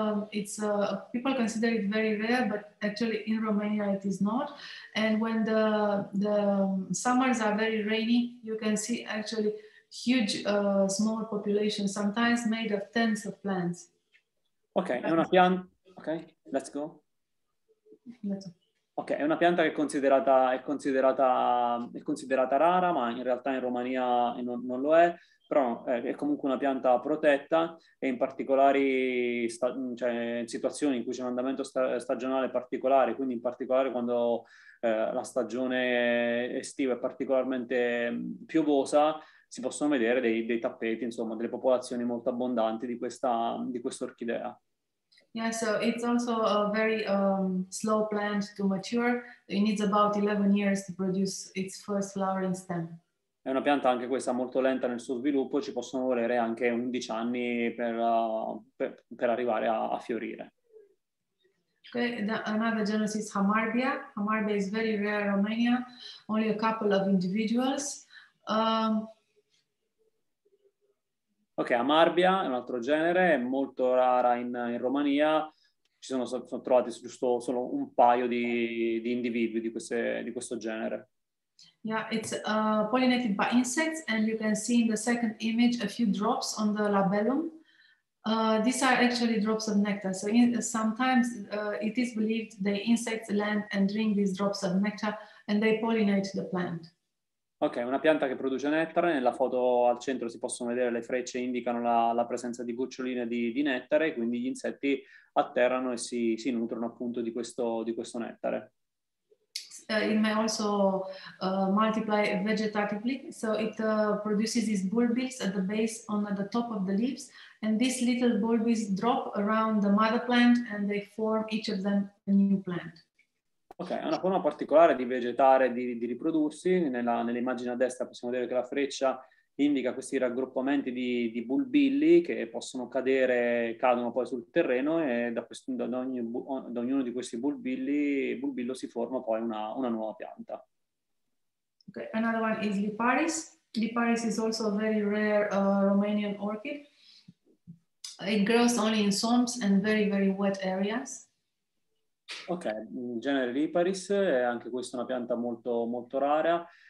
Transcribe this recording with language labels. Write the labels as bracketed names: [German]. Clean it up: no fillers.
[English] It's people consider it very rare, but actually in Romania it is not. And when the summers are very rainy, you can see actually huge small populations, sometimes made of tens of plants. [Italian] Ok, è una pianta. Ok, [English] let's go. [Italian] Ok, è una pianta che è considerata rara, ma in realtà in Romania non lo è, però è comunque una pianta protetta, e in particolari in situazioni in cui c'è un andamento stagionale particolare, quindi in particolare quando la stagione estiva è particolarmente piovosa, si possono vedere dei tappeti, insomma, delle popolazioni molto abbondanti di questa orchidea. [English] Yeah, so it's also a very slow plant to mature. It needs about 11 years to produce its first flowering stem. [Italian] È una pianta anche questa molto lenta nel suo sviluppo, ci possono volere anche 11 anni per arrivare a fiorire. [English] Okay, another genus is Hamarbia. Hamarbia is very rare in Romania, only a couple of individuals. [Italian] Ok, Hamarbia è un altro genere, è molto rara in Romania, ci sono trovati giusto solo un paio di individui di questo genere. [English] Yeah, it's pollinated by insects, and you can see in the second image a few drops on the labellum. These are actually drops of nectar, so sometimes it is believed the insects land and drink these drops of nectar and they pollinate the plant. [Italian] Ok, una pianta che produce nettare. Nella foto al centro si possono vedere le frecce indicano la presenza di goccioline di nettare, quindi gli insetti atterrano e si nutrono appunto di questo nettare. [English] It may also multiply vegetatively, so it produces these bulbils at the base on the top of the leaves, and these little bulbils drop around the mother plant and they form each of them a new plant. [Italian] Ok, è una forma particolare di vegetare, di riprodursi. Nell'immagine a destra possiamo vedere che la freccia indica questi raggruppamenti di bulbilli che possono cadono poi sul terreno e da ognuno di questi bulbilli, bulbillo si forma poi una nuova pianta. [English] Ok, another one is Liparis. Liparis is also a very rare Romanian orchid. It grows only in swamps and very, very wet areas. [Italian] Ok, in genere Liparis è anche questa una pianta molto, molto rara.